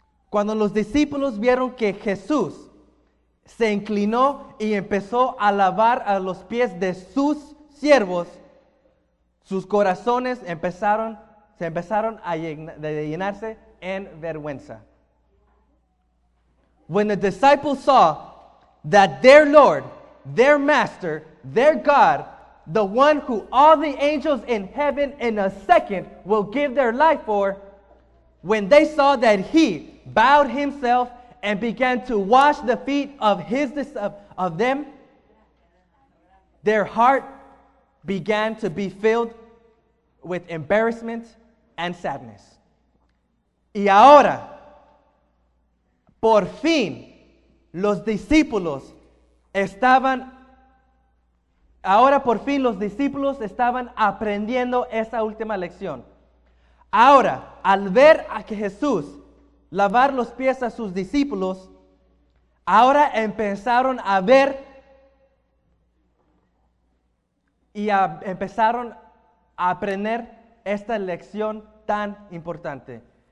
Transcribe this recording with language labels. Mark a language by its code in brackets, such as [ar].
[es] Cuando los discípulos vieron que Jesús se inclinó y empezó a lavar a los pies de sus siervos, sus corazones empezaron a llenarse en vergüenza. [en] When the disciples saw that their Lord, their Master, their God, the one who all the angels in heaven in a second will give their life for, when they saw that he bowed himself and began to wash the feet of his of them, their heart began to be filled with embarrassment and sadness. [es] Y ahora, por fin, los discípulos estaban, aprendiendo esa última lección. Ahora, al ver a que Jesús lavar los pies a sus discípulos, ahora empezaron a ver y empezaron a aprender esta lección tan importante.